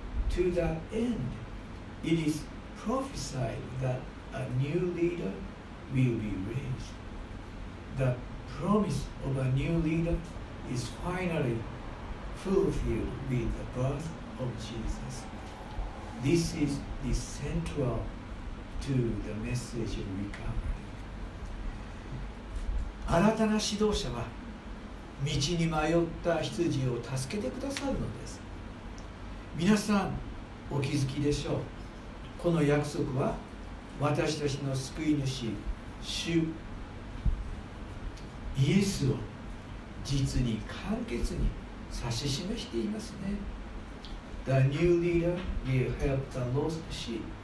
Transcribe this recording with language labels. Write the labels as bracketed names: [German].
[English] To that end, it is prophesied that a new leader will be raised. The promise of a new leader is finally fulfilled with the birth of Jesus. This is the central to the message of recovery. [Japanese] 新たな指導者は道に迷った羊を助けてくださるのです。皆さんお気づきでしょう。この約束は私たちの救い主主イエスを実に簡潔に指し示していますね。 [English] The new leader will help the lost sheep.